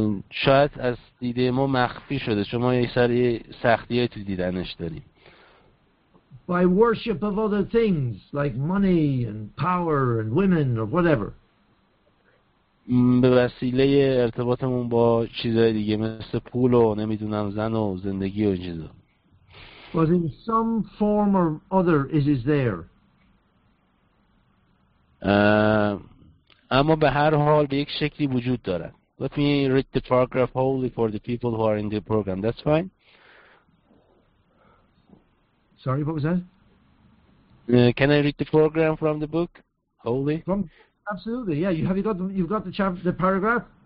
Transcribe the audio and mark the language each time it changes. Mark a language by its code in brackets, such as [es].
[fa] شاید از دیده ما مخفی شده چون ما یه سری سختیه تو دیدنش داریم. [en] By worship of other things like money and power and women or whatever. [fa] به وسیله ارتباطمون با چیزهای دیگه مثل پول و نمیدونم زن و زندگی و چیزا. [en] But in some form or other it is there. [fa] اما به هر حال به یک شکلی وجود دارن. [en] Let me read the paragraph wholly for the people who are in the program. That's fine. Sorry, what was that? Can I read the program from the book wholly? Absolutely. Yeah. You've got the paragraph.